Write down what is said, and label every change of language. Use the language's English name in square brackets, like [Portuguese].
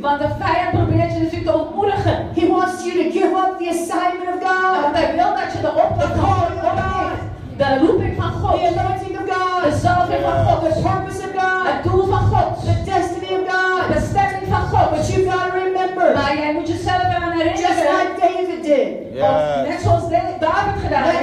[Dutch] Want de vijand probeert je natuurlijk te ontmoedigen. [English] He wants you to give up the assignment of God. [Dutch] Want hij wil dat je de opdracht opgeeft. De roeping van God. [English] The anointing of God. [Dutch] De zalving van God. [English] The purpose of God. [Dutch] Het doel van God. [English] The destiny of God. [Dutch] De bestemming van God. [English] But you've got to remember. [Dutch] Maar jij moet jezelf eraan herinneren. [English] Just like David did. Yes. [Dutch] Net zoals David gedaan heeft.